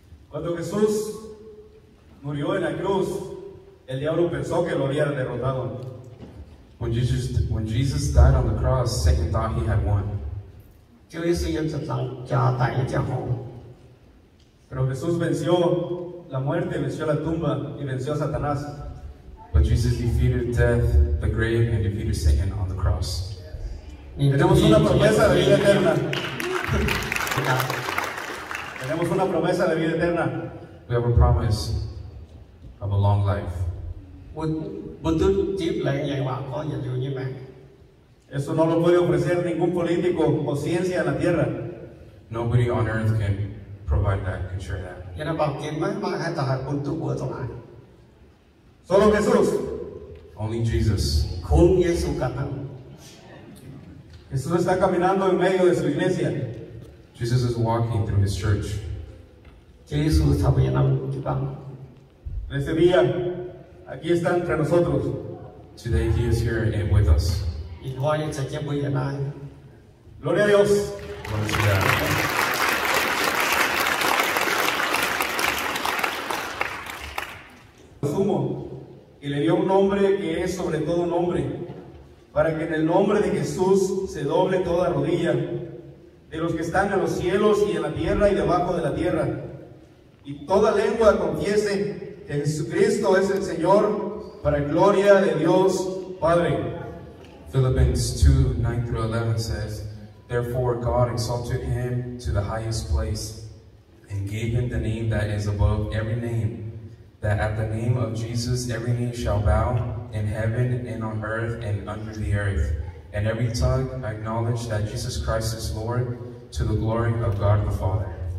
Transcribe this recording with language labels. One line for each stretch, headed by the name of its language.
Spanish: Cuando Jesús murió en la cruz, el diablo pensó que lo había derrotado.
English: When Jesus died on the cross, Satan thought he had won.
Spanish: Pero Jesús venció la muerte, venció la tumba y venció a Satanás.
English: But Jesus defeated death, the grave, and defeated Satan on the cross.
Spanish: Tenemos una promesa de vida eterna. Tenemos una promesa de vida eterna.
English: We have a promise of a long life.
Spanish: Eso no lo puede ofrecer ningún político o ciencia en la tierra.
English: Nobody on earth can provide that, can share that.
Spanish: Solo Jesús.
English: Only Jesus.
Spanish: Con Jesús. Jesús está caminando en medio de su iglesia.
English: Jesus is walking through his church.
Spanish: Jesús está llenando el lugar. Este día, aquí está entre nosotros.
English: Today he is here and with us.
Spanish: Y lo hay este tiempo llenar. Gloria a Dios. Gloria a Dios. Sumo y le dio un nombre que es sobre todo nombre, para que en el nombre de Jesús se doble toda rodilla de los que están en los cielos y en la tierra y debajo de la tierra, y toda lengua confiese que Jesucristo es el Señor, para gloria de Dios Padre.
English: Philippians 2:9-11 says, therefore God exalted him to the highest place and gave him the name that is above every name, that at the name of Jesus every knee shall bow, in heaven and on earth and under the earth, and every tongue acknowledge that Jesus Christ is Lord, to the glory of God the Father.